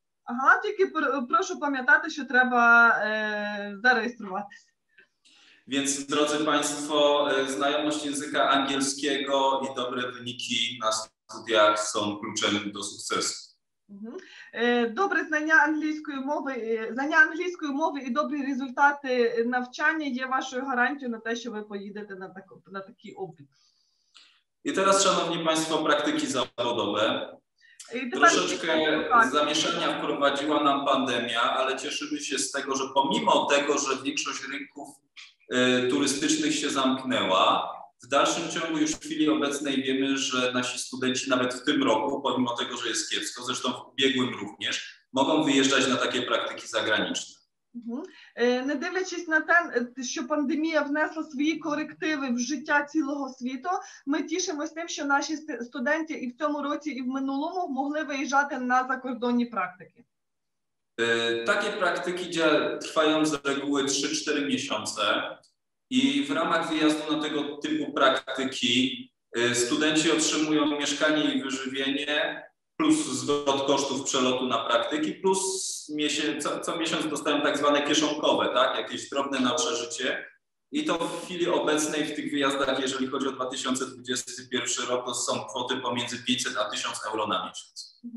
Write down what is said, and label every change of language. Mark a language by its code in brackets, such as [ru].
[pl] Aha, tylko proszę pamiętać, że trzeba zarejestrować. Więc drodzy państwo, znajomość języka angielskiego i dobre wyniki na studiach są kluczem do sukcesu. [uk] Добре знання англійської мови, знання англійської мови і добрі результати навчання є вашою гарантією на те, що ви поїдете на такий обмін. І зараз, шановні панство, практики заводове. Трошечки замішання впровадила нам пандемія, але тішимося з того, що помімо того, що більшість ринків туристичних ще замкнула, [pl] w dalszym ciągu już w chwili obecnej wiemy, że nasi studenci nawet w tym roku, pomimo tego, że jest kiepsko, zresztą w ubiegłym również, mogą wyjeżdżać na takie praktyki zagraniczne. [uk] Не дивлячись на те, що пандемія внесла свої корективи в життя цілого світу, ми тішимося тим, що наші студенти і в цьому році, і в минулому могли виїжджати на закордонні практики. Такі практики тривають з регули 3-4 місяці. [pl] I w ramach wyjazdu na tego typu praktyki studenci otrzymują mieszkanie i wyżywienie plus zwrot kosztów przelotu na praktyki plus co miesiąc dostają tak zwane kieszonkowe, tak? Jakieś drobne na przeżycie. I to w chwili obecnej w tych wyjazdach, jeżeli chodzi o 2021 rok, to są kwoty pomiędzy 500 a 1000 euro na miesiąc.